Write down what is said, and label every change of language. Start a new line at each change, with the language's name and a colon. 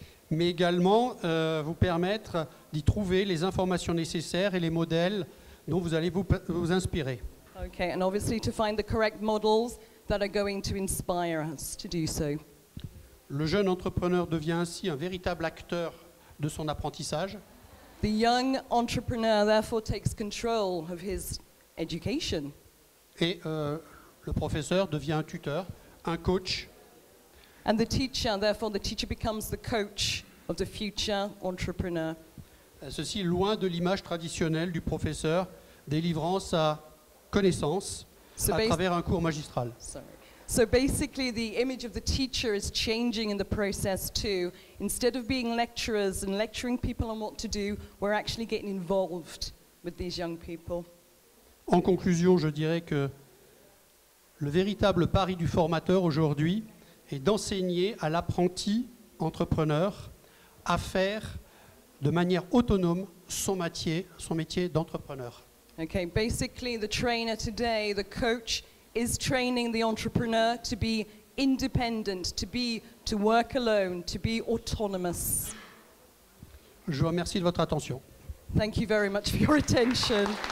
French: Mais également vous permettre d'y trouver les informations nécessaires et les modèles dont vous allez vous inspirer.
English: Okay, and obviously to find the correct models that are going to inspire us to do so.
French: Le jeune entrepreneur devient ainsi un véritable acteur de son apprentissage.
English: The young entrepreneur therefore takes control of his education. Et le professeur devient un tuteur, un coach. And the teacher, therefore the teacher becomes the coach of the future entrepreneur.
French: Ceci loin de l'image traditionnelle du professeur délivrant sa connaissance à travers un cours magistral.
English: So basically the image of the teacher is changing in the process too. Instead of being lecturers and lecturing people on what to do, we're actually getting involved with these young people.
French: En conclusion, je dirais que le véritable pari du formateur aujourd'hui est d'enseigner à l'apprenti entrepreneur à faire de manière autonome son métier d'entrepreneur.
English: Okay, basically the trainer today, the coach is training the entrepreneur to be independent, to work alone, to be autonomous.
French: Je vous remercie de votre attention.
English: Thank you very much for your attention.